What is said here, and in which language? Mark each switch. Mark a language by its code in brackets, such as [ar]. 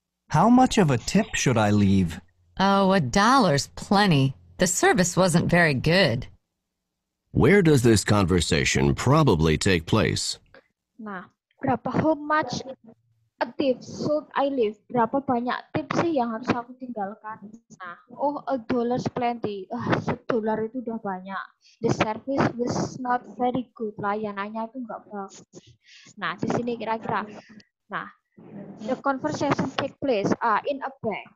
[en] How much of a tip should I leave? Oh, $1's plenty. The service wasn't very good. Where does this conversation probably take place? [id] Nah, berapa, [en] how much a tip should I leave? [id] Berapa banyak tip sih yang harus aku tinggalkan? [en] Nah, oh, $1's plenty. [id] $1 itu udah banyak. [en] The service was not very good. [id] Layanannya itu enggak bagus. Nah, di sini kira-kira. [en] Nah, the conversation take place in a bank.